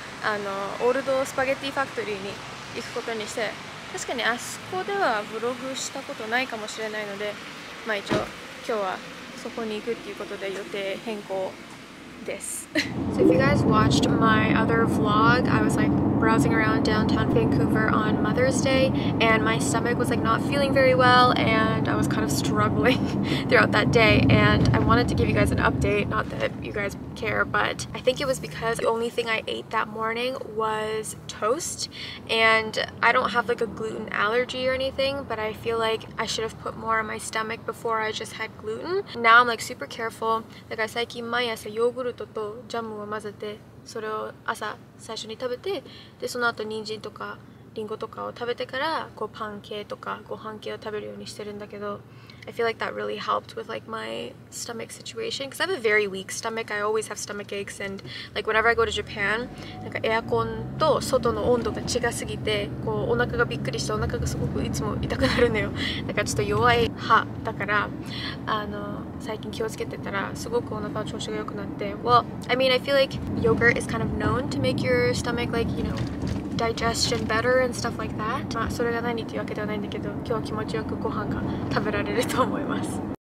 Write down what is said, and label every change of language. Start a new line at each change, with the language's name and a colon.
Japanese: あのオールドスパゲッティファクトリーに行くことにして、確かにあそこではブログしたことないかもしれないので、まあ一応今日はそこに行くっていうことで予定変更です。
English: So if you guys watched my other vlog, I was like browsing around downtown Vancouver on Mother's Day and my stomach was like not feeling very well and I was kind of struggling throughout that day and I wanted to give you guys an update, not that you guys care, but I think it was because the only thing I ate that morning was toast and I don't have like a gluten allergy or anything, but I feel like I should have put more on my stomach before I just had gluten. Now I'm like super careful.
Japanese: だから最近毎朝ヨーグルトとジャムを混ぜて、それを朝最初に食べて、でその後人参とかリンゴとかを食べてから、こうパン系とかご飯系を食べるようにしてるんだけど、
English: I feel like that really helped with like my stomach situation because I have a very weak stomach. I always have stomach aches and like whenever I go to Japan,
Japanese: なんかエアコンと外の温度が違すぎて、こうお腹がびっくりしてお腹がすごくいつも痛くなるのよ。だからちょっと弱い派だから、あの最近気をつけてたらすごくお腹の調子が良くなって。
English: Well, I mean, I feel like yogurt is kind of known to make your stomach like, you know,digestion better and stuff like that.
Japanese: まあそれが何っていうわけではないんだけど、今日は気持ちよくご飯が食べられると思います。